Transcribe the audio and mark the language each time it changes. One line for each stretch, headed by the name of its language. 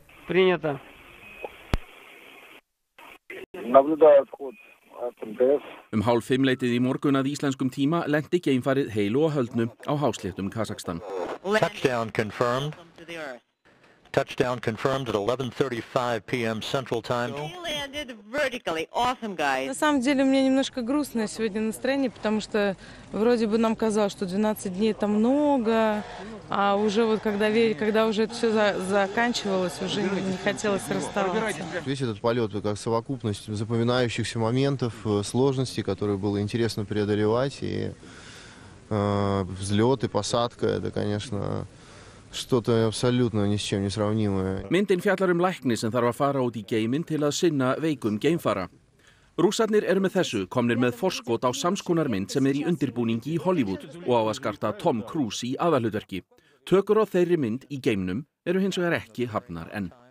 Russian: Принято.
Icelandic: Hálf 5 leitið í morgun að íslenskum tíma lenti geimfarið heilu og höldnu á hásléttum Kasakstan.
English: Touchdown confirmed. Touchdown confirmed at 11:35 p.m. Central Time. We landed vertically. Awesome, guys.
Russian: На самом деле, у меня немножко грустное сегодня настроение, потому что вроде бы нам казалось, что 12 дней это много, а уже вот когда уже это все заканчивалось, уже не хотелось расставаться. Весь этот полет как совокупность запоминающихся моментов, сложностей, которые было интересно преодолевать, и взлет и посадка, это, конечно... Что-то абсолютно ни с чем не сравнимое.
Icelandic: Myndin fjallar lækni sem þarf að fara út í geiminn til að sinna veikum geimfara. Rússarnir eru með þessu komnir með forskot á samskonar mynd sem í undirbúningi í Hollywood og á að skarta Tom Cruise í aðalhlutverki. Tökur á þeirri mynd í geimnum eru hins vegar ekki hafnar enn.